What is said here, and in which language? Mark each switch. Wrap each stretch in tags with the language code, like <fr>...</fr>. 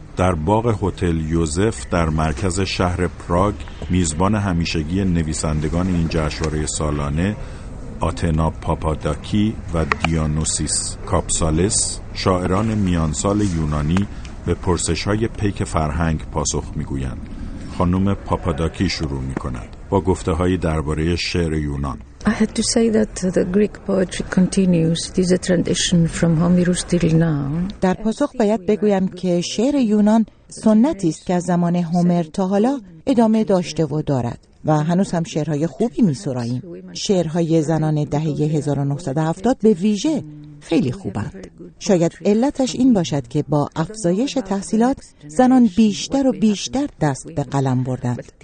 <fa>در باغ هتل یوزف در مرکز شهر پراگ، میزبان همیشگی نویسندگان این جشنواره سالانه آتنا پاپاداکی و دیانوسیس کاپسالس، شاعران میانسال یونانی، به پرسش‌های پیک فرهنگ پاسخ می‌گویند. خانم پاپاداکی شروع می‌کند با گفته‌های درباره شعر یونان.</fa> <en>I had to say that the Greek poetry continues this tradition from Homerus till now.</en> <fa>در پاسخ باید بگویم که شعر یونان سنتی است که از زمان هومر تا حالا ادامه داشته و دارد و هنوز هم شعرهای خوبی می سراییم. شعرهای زنان دهه 1970 به ویژه خیلی خوبند. شاید علتش این باشد که با افزایش تحصیلات زنان بیشتر و بیشتر دست به قلم بردند.</fa>